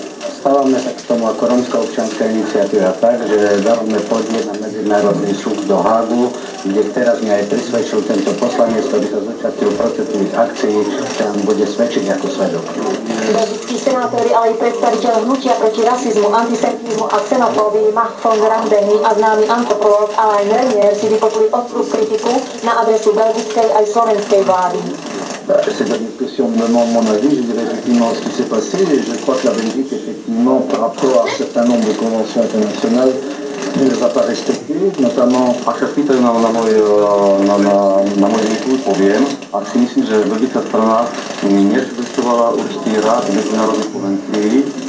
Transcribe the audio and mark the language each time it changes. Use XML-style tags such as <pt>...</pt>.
<sk>Stávame sa k tomu ako Romská občianska iniciatíva tak, že dávame podnieť na Medzinárodný súd do Hágu, kde teraz mi aj prisvedčil tento poslanec, ktorý sa zúčastnil protestných akcií, že nám bude svedčiť ako svedok. Belgickí senátori, ale aj predstaviteľ hnutia proti rasizmu, antisemitizmu a xenofóbii Max von Randeni a známy antropolog Alain Renier si vypočuli ostrú kritiku na adresu belgickej aj slovenskej vlády.</sk> <fr>C'est une question de mon avis, je dirais effectivement ce qui s'est passé, et je crois que la Belgique, effectivement, par rapport à un certain nombre de conventions internationales, ne les a pas respectées, notamment...</fr> <sk>A chapitre na moje výkud poviem, a si myslím, že belgická strana mi nerespektovala určitý rád medzinárodných konvencií.</sk>